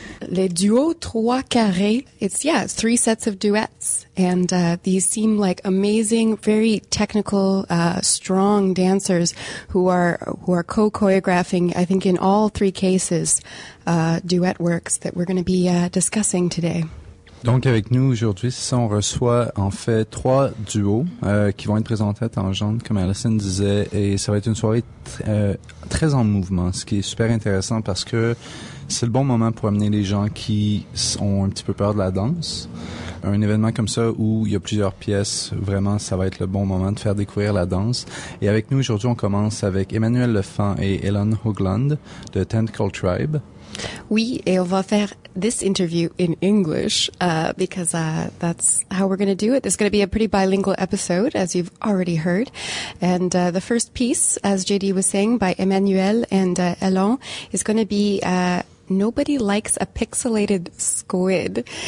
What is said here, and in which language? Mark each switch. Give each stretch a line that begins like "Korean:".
French: Les duos trois carrés.
English: It's three sets of duets, and these seem like amazing, very technical, strong dancers who are co-choreographing, I think, in all three cases, duet works that we're going to be discussing today.
French: Donc, avec nous aujourd'hui, on reçoit en fait trois duos qui vont être présentés à Tangente, comme Allison disait, et ça va être une soirée très en mouvement, ce qui est super intéressant parce que c'est le bon moment pour amener les gens qui ont un petit peu peur de la danse. Un événement comme ça où il y a plusieurs pièces, vraiment, ça va être le bon moment de faire découvrir la danse. Et avec nous aujourd'hui, on commence avec Emmanuel Lefan et Ellen Hoogland de Tentacle Tribe. Oui, et on va faire
English: this interview in English because that's how we're going to do it. This is going to be a pretty bilingual episode, as you've already heard. And the first piece, as JD was saying, by Emmanuel and Ellen, is going to be Nobody Likes a Pixelated Squid.